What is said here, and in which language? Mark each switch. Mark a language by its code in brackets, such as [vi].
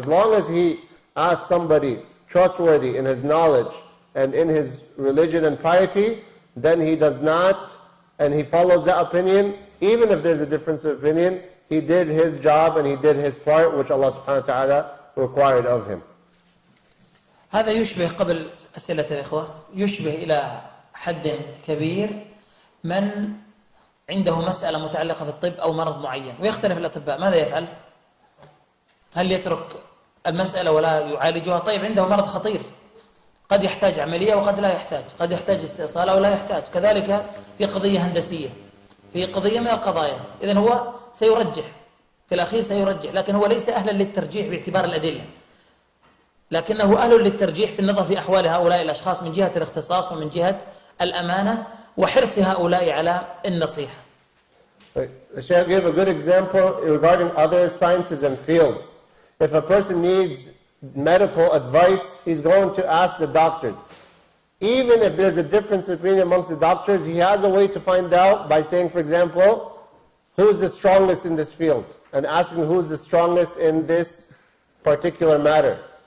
[en] As long as he asks somebody trustworthy in his knowledge and in his religion and piety, then he does not, and he follows that opinion, even if there's a difference of opinion, he did his job and he did his part, which Allah subhanahu wa ta'ala required of him. [ar] هذا يشبه قبل أسئلة الإخوة يشبه إلى حد كبير من عنده مسألة متعلقة في الطب أو مرض معين ويختلف الأطباء ماذا يفعل؟ هل يترك المسألة ولا يعالجها؟ طيب عنده مرض خطير قد يحتاج عملية وقد لا يحتاج قد يحتاج استئصال أو لا يحتاج كذلك في قضية هندسية في قضية من القضايا إذن هو سيرجح في الأخير سيرجح لكن هو ليس أهلا للترجيح باعتبار الأدلة لكنه أهل للترجيح في النظر في أحوال هؤلاء الأشخاص من جهة الاختصاص ومن جهة الأمانة وحرص هؤلاء على النصيحة. [en] The Sheikh gave a good example regarding other sciences and fields. If a person needs medical advice, he's going to ask the doctors. Even if there's a difference of opinion amongst the doctors, he has a way to find out by saying, for example, who's the strongest in this field and asking who's the strongest in this particular matter.